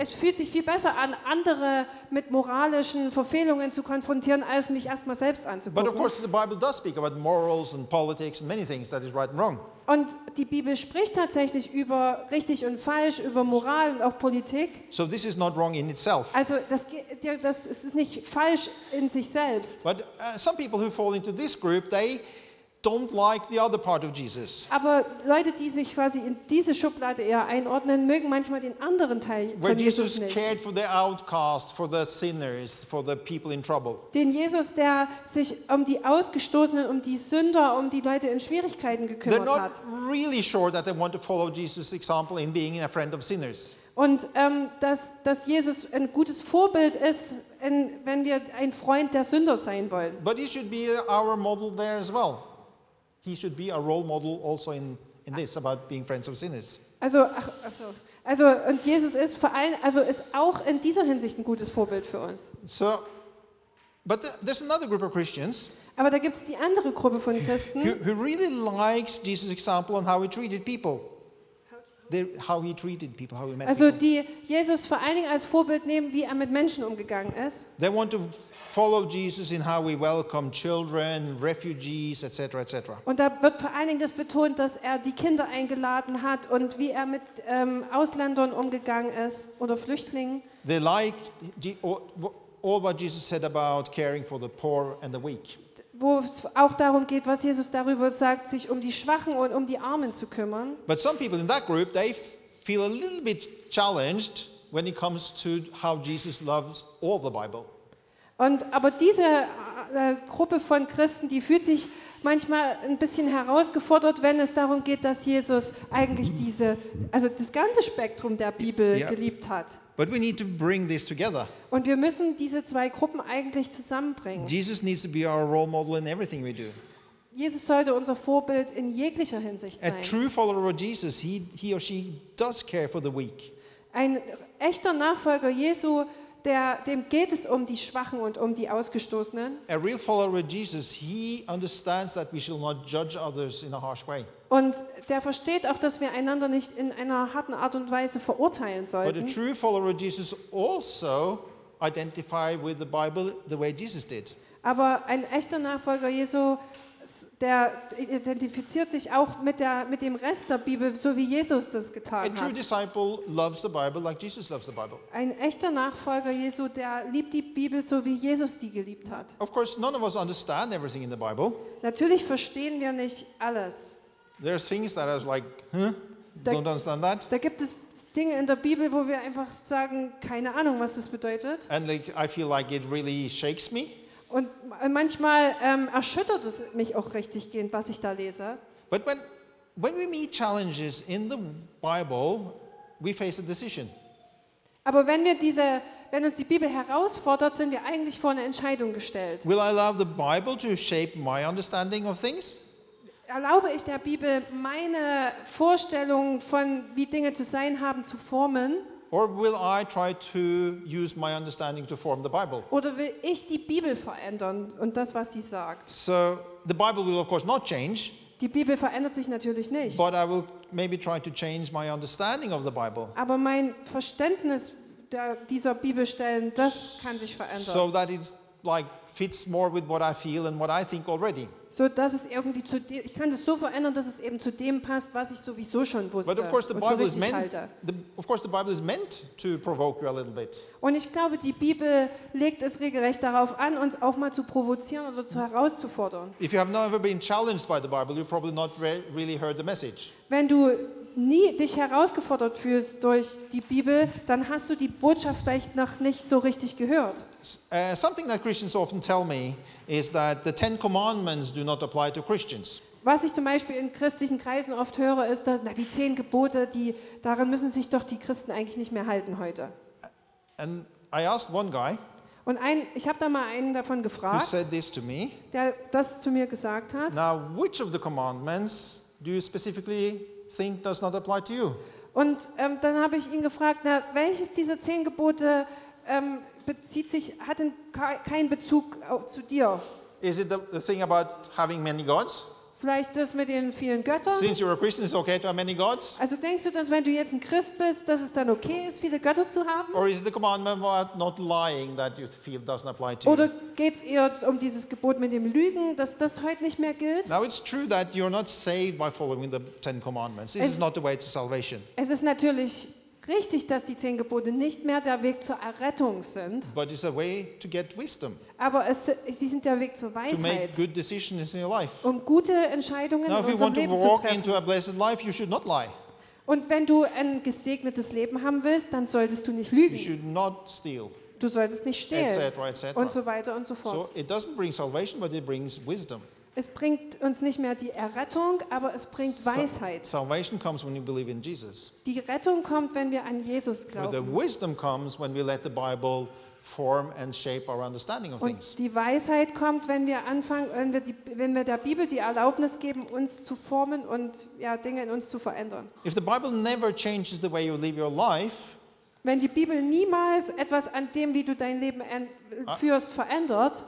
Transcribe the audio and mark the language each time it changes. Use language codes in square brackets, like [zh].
[de] Es fühlt sich viel besser an, andere mit moralischen Verfehlungen zu konfrontieren, als mich erstmal selbst anzugucken. [en] But of course the Bible does speak about morals and politics and many things that is right and wrong. [de] Und die Bibel spricht tatsächlich über richtig und falsch, über Moral und auch Politik. [en] So this is not wrong in itself. [de] Also das ist nicht falsch in sich selbst. [en] But some people who fall into this group, they don't like the other part of Jesus. [de] Aber Leute, die sich quasi in diese Schublade eher einordnen, mögen manchmal den anderen Teil von Jesus, Jesus nicht. [en] Cared for the outcast, for the sinners, for the people in trouble. [de] Den Jesus, der sich um die Ausgestoßenen, um die Sünder, um die Leute in Schwierigkeiten gekümmert [en] hat. They're not really sure that they want to follow Jesus' example in being a friend of sinners. [de] Und dass Jesus ein gutes Vorbild ist, wenn wir ein Freund der Sünder sein wollen. [en] But he should be our model there as well. He should be a role model also in this about being friends of sinners. [de] Also und Jesus ist vor allem, also ist auch in dieser Hinsicht ein gutes Vorbild für uns. [en] So, but there's another group of Christians. [de] Aber da gibt's die andere Gruppe von Christen. [en] Who really likes Jesus' example on how he treated people. How he treated people, how he met also people. [de] Die Jesus vor allen Dingen als Vorbild nehmen, wie er mit Menschen umgegangen ist. [en] They want to follow Jesus in how we welcome children, refugees, etc., etc. [de] Und da wird vor allen Dingen das betont, dass er die Kinder eingeladen hat und wie er mit Ausländern umgegangen ist oder Flüchtlingen. [en] They like all what Jesus said about caring for the poor and the weak. [de] Wo es auch darum geht, was Jesus darüber sagt, sich um die Schwachen und um die Armen zu kümmern. [en] But some people in that group, they feel a little bit challenged when it comes to how Jesus loves all the Bible. [de] Aber diese Gruppe von Christen, die fühlt sich manchmal ein bisschen herausgefordert, wenn es darum geht, dass Jesus eigentlich das ganze Spektrum der Bibel geliebt hat. [en] But we need to bring this together. [de] Und wir müssen diese zwei Gruppen eigentlich zusammenbringen. [en] Jesus needs to be our role model in everything we do. [de] Jesus sollte unser Vorbild in jeglicher Hinsicht sein. [en] A true follower of Jesus, he or she does care for the weak. [de] Ein echter Nachfolger Jesu, dem geht es um die Schwachen und um die Ausgestoßenen. [en] A real follower of Jesus, he understands that we shall not judge others in a harsh way. [de] Und der versteht auch, dass wir einander nicht in einer harten Art und Weise verurteilen sollten. [en] But a true follower of Jesus also identify with the Bible the way Jesus did. [de] Aber ein echter Nachfolger Jesu, der identifiziert sich auch mit dem Rest der Bibel, so wie Jesus das getan hat. [en] A true disciple loves the Bible like Jesus loves the Bible. [de] Ein echter Nachfolger Jesu, der liebt die Bibel, so wie Jesus die geliebt hat. [en] Of course, none of us understand everything in the Bible. [de] Natürlich verstehen wir nicht alles. [en] There's things that I was like, huh? Don't understand that. [de] Da gibt es Dinge in der Bibel, wo wir einfach sagen, keine Ahnung, was das bedeutet. [en] And like, I feel like it really shakes me. [de] Und manchmal erschüttert es mich auch richtig gehend, was ich da lese. [en] But when we meet challenges in the Bible, we face a decision. [de] Aber wenn uns die Bibel herausfordert, sind wir eigentlich vor eine Entscheidung gestellt. [en] Will I allow the Bible to shape my understanding of things? [de] Erlaube ich der Bibel, meine Vorstellungen von wie Dinge zu sein haben, zu formen? [en] Or will I try to use my understanding to form the Bible? [de] Oder will ich die Bibel verändern und das, was sie sagt? [en] So the Bible will of course not change. [de] Die Bibel verändert sich natürlich nicht. [en] But I will maybe try to change my understanding of the Bible. [de] Aber mein Verständnis dieser Bibelstellen, das kann sich verändern. [en] So that it's like fits more with what I feel and what I think already. [de] So dass es irgendwie zu dem, ich kann das so verändern, dass es eben zu dem passt, was ich sowieso schon wusste. [en] But of course the Bible is meant, the Bible is meant to provoke you a little bit. [de] Und ich glaube, die Bibel legt es regelrecht darauf an, uns auch mal zu provozieren oder zu herauszufordern. [en] If you have never been challenged by the Bible, you probably not really heard the message. [de] Wenn du nie dich herausgefordert fühlst durch die Bibel, dann hast du die Botschaft vielleicht noch nicht so richtig gehört. [en] Something that Christians often tell me is that the Ten Commandments do not apply to Christians. [de] Was ich zum Beispiel in christlichen Kreisen oft höre, ist, dass die 10 Gebote, daran müssen sich doch die Christen eigentlich nicht mehr halten heute. [en] And I asked one guy, [de] ich habe da mal einen davon gefragt, [en] who said this to me, [de] der das zu mir gesagt hat. [en] Now, which of the commandments do you specifically think does not apply to you? [de] Und dann habe ich ihn gefragt, welches dieser 10 Gebote hat denn keinen Bezug zu dir? [en] Is it the thing about having many gods? [de] Vielleicht das mit den vielen Göttern? [en] Since you're a Christian, it's okay to have many gods? [de] Also denkst du, dass wenn du jetzt ein Christ bist, dass es dann okay ist, viele Götter zu haben? [en] Or is it the commandment about not lying that you feel doesn't apply to you? [de] Oder geht's eher um dieses Gebot mit dem Lügen, dass das heute nicht mehr gilt? [en] Now it's true that you're not saved by following the Ten Commandments. This is not the way to salvation. [de] Es ist natürlich richtig, dass die zehn Gebote nicht mehr der Weg zur Errettung sind. [en] But it's a way to get wisdom. [de] Aber sie sind der Weg zur Weisheit. [en] To make good decisions in your life. [de] Um gute Entscheidungen [en] Now, [de] in unserem Leben zu treffen. [en] If you want to walk into a blessed life, you should not lie. [de] Und wenn du ein gesegnetes Leben haben willst, dann solltest du nicht lügen. [en] You should not steal. [de] Du solltest nicht stehlen. [en] Et cetera. [de] Und so weiter und so fort. [en] So it doesn't bring salvation, but it brings wisdom. [de] Es bringt uns nicht mehr die Errettung, aber es bringt Weisheit. [en] Salvation comes when you believe in Jesus. [de] Die Rettung kommt, wenn wir an Jesus glauben. [en] The wisdom comes when we let the Bible form and shape our understanding of [de] und [en] things. [de] Die Weisheit kommt, wenn wir der Bibel die Erlaubnis geben, uns zu formen und ja, Dinge in uns zu verändern. [en] If the Bible never changes the way you live your life, [de] wenn die Bibel niemals etwas an dem, wie du dein Leben führst, verändert,